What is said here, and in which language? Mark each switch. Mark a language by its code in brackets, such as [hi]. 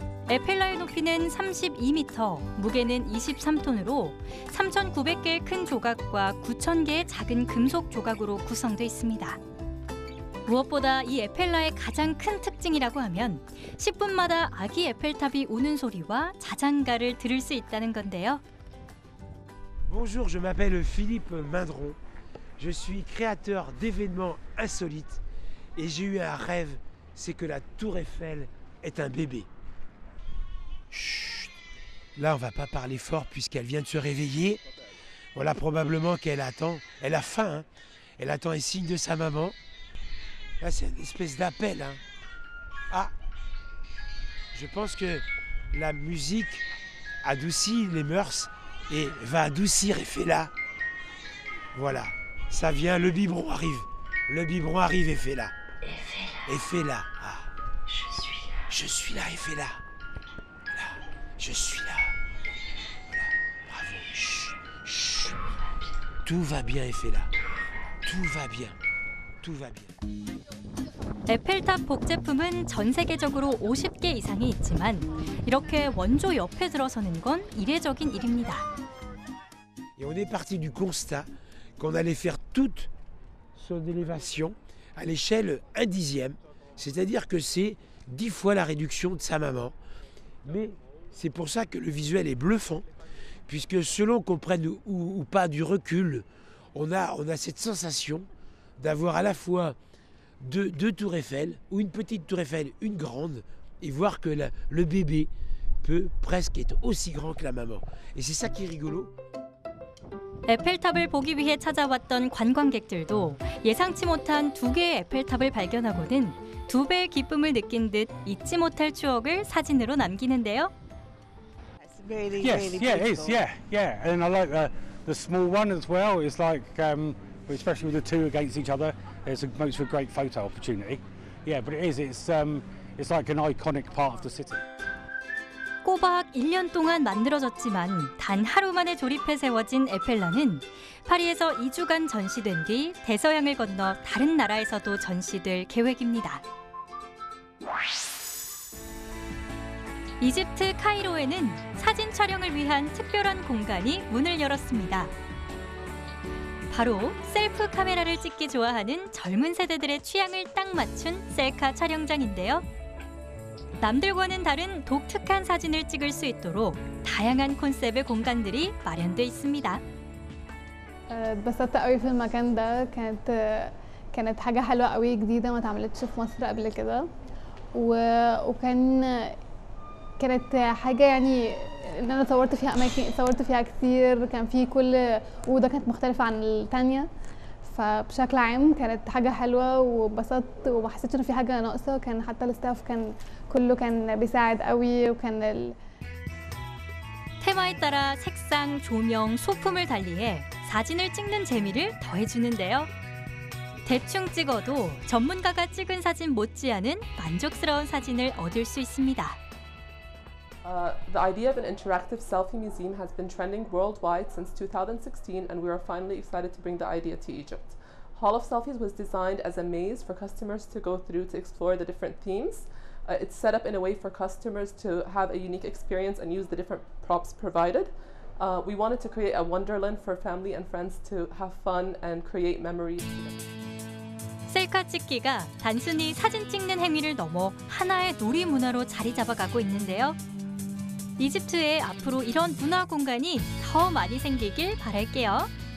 [ko] 에펠라의 높이는 32m, 무게는 23톤으로 3,900개의 큰 조각과 9,000개의 작은 금속 조각으로 구성되어 있습니다. 무엇보다 이 에펠라의 가장 큰 특징이라고 하면 10분마다 아기 에펠탑이 우는 소리와 자장가를 들을 수 있다는 건데요. [fr] Bonjour, je m'appelle Philippe Mindron. Je suis créateur d'événements insolites et j'ai eu un rêve, c'est que la Tour Eiffel est un bébé. Chut. Là, on va pas parler fort puisqu'elle vient de se réveiller. Voilà, probablement qu'elle attend, elle a faim. Hein. Elle attend les signes de sa maman. Là, c'est une espèce d'appel. Hein. Ah, je pense que la musique adoucit les mœurs et va adoucir Eiffela. Voilà, ça vient, le biberon arrive. Le biberon arrive, Eiffela. Eiffela. Eiffela. Ah. Je suis là. Je suis là, Eiffela. Là, je suis là. Voilà, bravo. Chut, chut. Tout va bien, Eiffela. Tout va bien. Tout va bien. [ko] 에펠탑 복제품은 전 세계적으로 50개 이상이 있지만 이렇게 원조 옆에 들어서는 건 이례적인 일입니다. [fr] Et on est parti du constat qu'on allait faire toute son élévation à l'échelle 1/10, c'est-à-dire que c'est 10 fois la réduction de sa maman. Mais c'est pour ça que le visuel est bluffant puisque selon qu'on prenne ou pas du recul, on a cette sensation d'avoir à la fois deux tours Eiffel, ou une petite tour Eiffel, une grande, et voir que le bébé peut presque être aussi grand que la maman. Et c'est ça qui est rigolo. [ko] 에펠탑을 보기 위해 찾아왔던 관광객들도 예상치 못한 두 개의 에펠탑을 발견하고는 두 배의 기쁨을 느낀 듯 잊지 못할 추억을 사진으로 남기는데요. [en] Yes, it is. And I like the small one as well. It's like, especially with the two against each other, it makes for a great photo opportunity. Yeah, but it is. It's like an iconic part of the city. [ko] 꼬박 1년 동안 만들어졌지만 단 하루 만에 조립해 세워진 에펠라는 파리에서 2주간 전시된 뒤 대서양을 건너 다른 나라에서도 전시될 계획입니다. 이집트 카이로에는 사진 촬영을 위한 특별한 공간이 문을 열었습니다. 바로 셀프 카메라를 찍기 좋아하는 젊은 세대들의 취향을 딱 맞춘 셀카 촬영장인데요. 남들과는 다른 독특한 사진을 찍을 수 있도록 다양한 콘셉트의 공간들이 마련돼 있습니다. [ar] بسطت قوي في المكان ده كانت حاجه حلوه قوي جديده ما اتعملتش في مصر قبل كده وكانت حاجه يعني ان انا صورت فيها اماكن صورت فيها كتير كان في كل اوضه كانت مختلفه عن الثانيه فبشكل عام كانت حاجه حلوه وبسطت وما حسيتش ان في حاجه ناقصه كان حتى الستاف كان كله كان بيساعد قوي وكان [ko] 테마에 따라 색상, 조명, 소품을 달리해 사진을 찍는 재미를 더해 주는데요. 대충 찍어도 전문가가 찍은 사진 못지 않은 만족스러운 사진을 얻을 수 있습니다. [en] The idea of an interactive selfie museum has been trending worldwide since 2016 and we are finally excited to bring the idea to Egypt. Hall of Selfies was designed as a maze for customers to go through to explore the different themes. It's set up in a way for customers to have a unique experience and use the different props provided. We wanted to create a wonderland for family and friends to have fun and create memories. [ko] 셀카 찍기가 단순히 사진 찍는 행위를 넘어 하나의 놀이 문화로 자리 잡아가고 있는데요. 이집트에 앞으로 이런 문화 공간이 더 많이 생기길 바랄게요.